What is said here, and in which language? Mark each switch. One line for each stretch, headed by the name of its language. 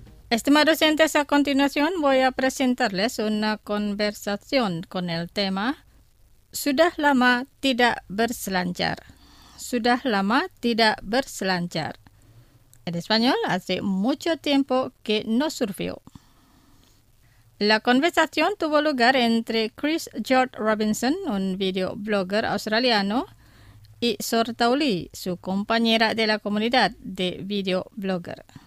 Spanish: Estimados oyentes, a continuación voy a presentarles una conversación con el tema
Indonesian: Sudah lama tidak berselancar. Sudah lama tidak berselancar.
Spanish: En español, hace mucho tiempo que no surfeo. La conversación tuvo lugar entre Chris George Robinson, un videoblogger australiano, y Sor Tauli, su compañera de la comunidad de videoblogger.